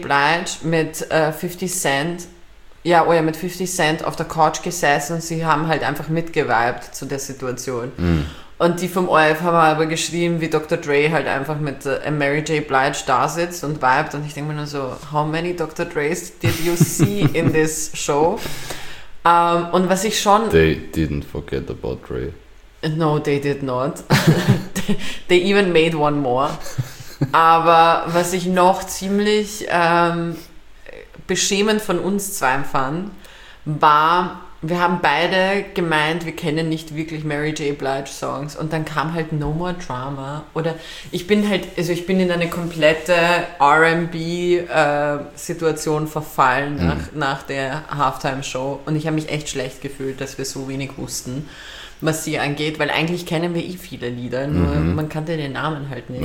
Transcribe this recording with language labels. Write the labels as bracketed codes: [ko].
[de] Blige mit 50 Cent, ja, oh ja, mit 50 Cent auf der Couch gesessen und sie haben halt einfach mitgevibed zu der Situation. Und die vom ORF haben aber geschrieben, wie Dr. Dre halt einfach mit Mary J. Blige da sitzt und vibet, und ich denke mir nur so, [en] how many Dr. Dre's did you see in this show? Und was ich schon... They didn't forget about Dre. No, they did not. They even made one more. [de] Aber was ich noch ziemlich beschämend von uns zwei fand, war, wir haben beide gemeint, wir kennen nicht wirklich Mary J. Blige Songs, und dann kam halt No More Drama, oder ich bin in eine komplette R&B Situation verfallen nach der Halftime Show, und ich habe mich echt schlecht gefühlt, dass wir so wenig wussten, was sie angeht, weil eigentlich kennen wir eh viele Lieder, nur man kannte den Namen halt nicht.